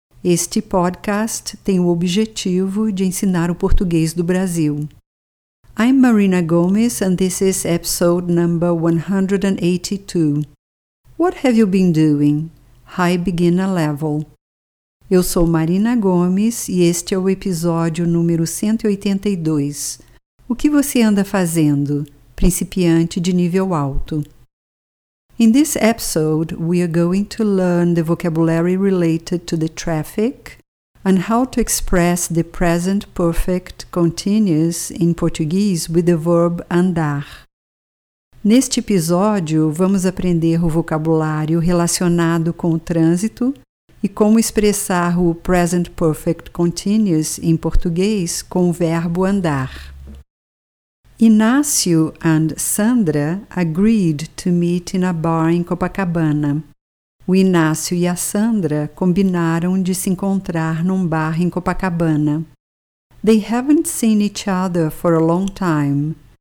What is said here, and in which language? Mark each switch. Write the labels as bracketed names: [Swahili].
[Portuguese] Este podcast tem o objetivo de ensinar o português do Brasil. [English] I'm Marina Gomes and this is episode number 182. What have you been doing? High beginner level. [Portuguese] Eu sou Marina Gomes e este é o episódio número 182. O que você anda fazendo, principiante de nível alto? [English] In this episode, we are going to learn the vocabulary related to the traffic and how to express the present perfect continuous in Portuguese with the verb andar. [Portuguese] Neste episódio, vamos aprender o vocabulário relacionado com o trânsito e como expressar o [English] present perfect continuous [Portuguese] em português com o verbo andar. [English] Inácio and Sandra agreed to meet in a bar in Copacabana. [Portuguese] O Inácio e a Sandra combinaram de se encontrar num bar em Copacabana. [English] They haven't seen each other for a long time.